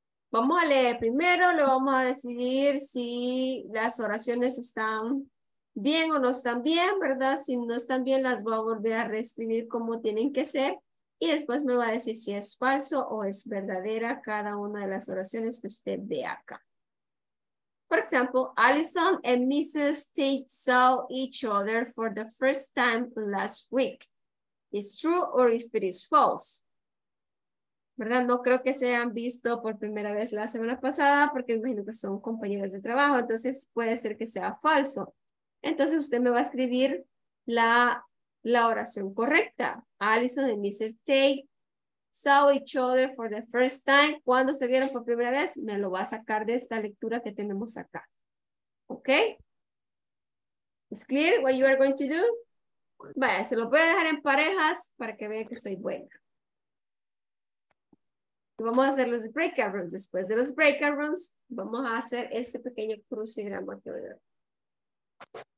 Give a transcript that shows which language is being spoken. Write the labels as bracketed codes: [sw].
[es] Vamos a leer primero, lo vamos a decidir si las oraciones están bien o no están bien, ¿verdad? Si no están bien, las voy a volver a reescribir como tienen que ser. Y después me va a decir si es falso o es verdadera cada una de las oraciones que usted ve acá. Por ejemplo, Allison and Mrs. [en] Tate saw each other for the first time last week. ¿Es true or if it is false? [es] ¿Verdad? No creo que se hayan visto por primera vez la semana pasada, porque me imagino que son compañeras de trabajo, entonces puede ser que sea falso. Entonces usted me va a escribir la oración correcta. [en] Allison and Mr. Tate saw each other for the first time. [es] ¿Cuándo se vieron por primera vez? Me lo va a sacar de esta lectura que tenemos acá. ¿Ok? ¿Es [en] clear what you are going to do? [es] Vaya, se lo voy a dejar en parejas para que vean que soy buena. Vamos a hacer los breakout rooms. Después de los breakout rooms, vamos a hacer este pequeño crucigrama que voy a ver.